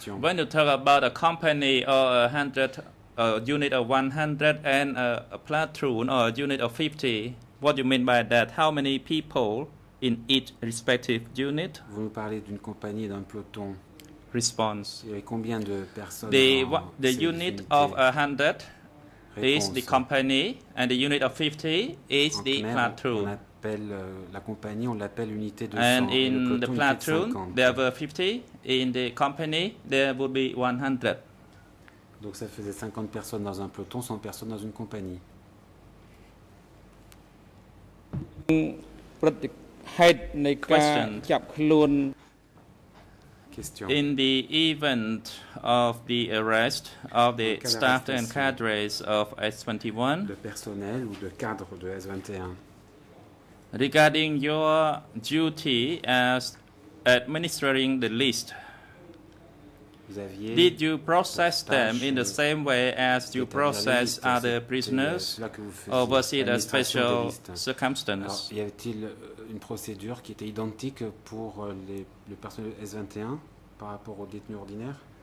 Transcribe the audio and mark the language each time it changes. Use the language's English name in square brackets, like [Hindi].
[English] When you talk about a company or a unit of 100 and a platoon or a unit of 50, what do you mean by that? How many people in each respective unit? [French] Vous nous parlez d'une compagnie d'un peloton. [English] Response. [French] Il y a combien de personnes [English] the unit of 100 is the company, and the unit of 50 is the platoon. [French] On appelle la compagnie, on l'appelle unité de 100. [English] And in the platoon, there were 50. In the company, there would be 100. [French] Donc ça faisait 50 personnes dans un peloton, 100 personnes dans une compagnie. Question. question. [English] In the event of the arrest of the staff and cadres of S21, [French] de personnel ou de cadre de S21, [English] regarding your duty as administering the list, did you process them in the same way as you process other prisoners, or was it a special circumstance? [French] Alors, y avait-il une procédure qui était identique pour le personnel S21 par rapport aux détenus ordinaires?